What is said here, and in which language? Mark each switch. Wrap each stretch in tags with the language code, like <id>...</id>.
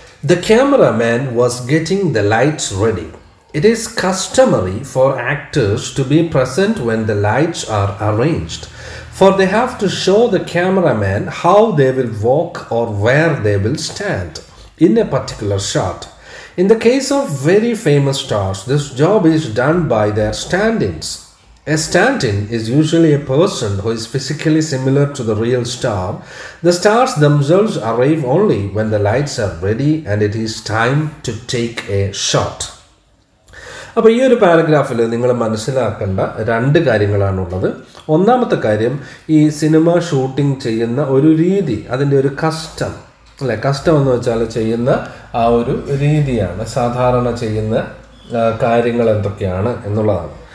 <en>The cameraman was getting the lights ready. It is customary for actors to be present when the lights are arranged for the have to show the cameraman how they will walk or where they will stand in a particular shot. In the case of very famous stars this job is done by their stand-ins. A stand-in is usually a person who is physically similar to the real star. The stars themselves arrive only when the lights are ready and it is time to take a shot.</en> <ml>അപ്പോൾ ഈ ഒരു പാരഗ്രാഫിൽ നിങ്ങൾ മനസ്സിലാക്കേണ്ട രണ്ട് കാര്യങ്ങളാണുള്ളത്. ഒന്നാമത്തെ കാര്യം, ഈ cinema shooting ചെയ്യുന്ന ഒരു രീതി, അതിൻ്റെ ഒരു കസ്റ്റം അല്ലെ, കസ്റ്റം എന്ന് വെച്ചാൽ ചെയ്യുന്ന ആ ഒരു രീതിയാണ്, സാധാരണ ചെയ്യുന്ന കാര്യങ്ങൾ എന്തൊക്കെയാണ് എന്നുള്ളതാണ്.</ml>